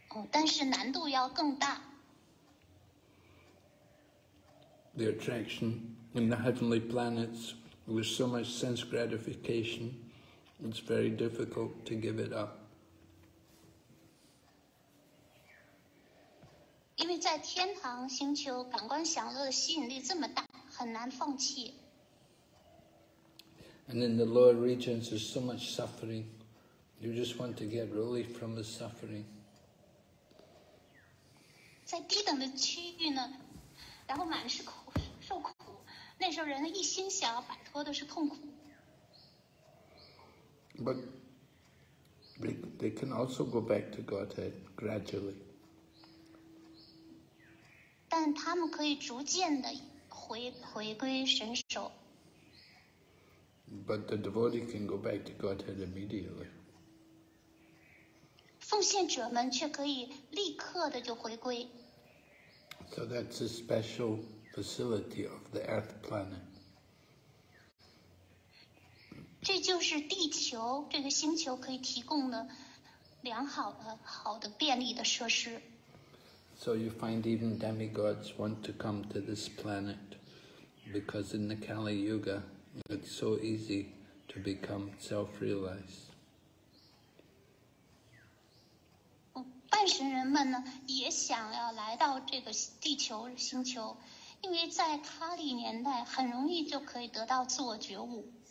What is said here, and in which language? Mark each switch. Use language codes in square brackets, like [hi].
[zh] 但是难度要更大。 [en] The attraction in the heavenly planets with so much sense gratification, it's very difficult to give it up. [zh] 因为在天堂星球，感官享乐的吸引力这么大，很难放弃。 [en] And in the lower regions, there's so much suffering. You just want to get relief from the suffering. [zh] 在低等的区域呢，然后满是苦，受苦。那时候人的一心想要摆脱的是痛苦。 [en] But they can also go back to Godhead gradually. [zh] 但他们可以逐渐的回归神手。 [en] But the devotee can go back to Godhead immediately. [zh] 奉献者们却可以立刻的就回归。 [en] So that's a special facility of the Earth planet. [zh] 这就是地球这个星球可以提供的良好的、好的、便利的设施。 [en] So you find even demigods want to come to this planet because in the Kali Yuga it's so easy to become self-realized. [zh] 半神人们呢也想要来到这个地球星球，因为在卡利年代很容易就可以得到自我觉悟。